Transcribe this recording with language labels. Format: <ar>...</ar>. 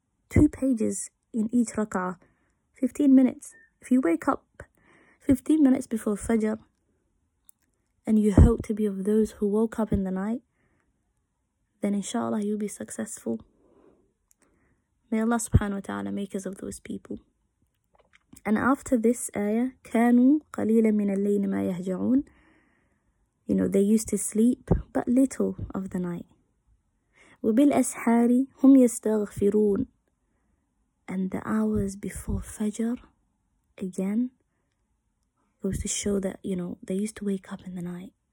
<en>2 pages in each rak'ah, 15 minutes. If you wake up 15 minutes before Fajr and you hope to be of those who woke up in the night, then inshallah you'll be successful. May Allah subhanahu wa ta'ala make us of those people. And after this ayah,</en> <ar>كانوا قليلا من الليل ما يهجعون.</ar> <en>You know, they used to sleep, but little of the night.</en> <ar>وبالأسحار هم يستغفرون.</ar> <en>And the hours before Fajr, again, goes to show that, you know, they used to wake up in the night.</en>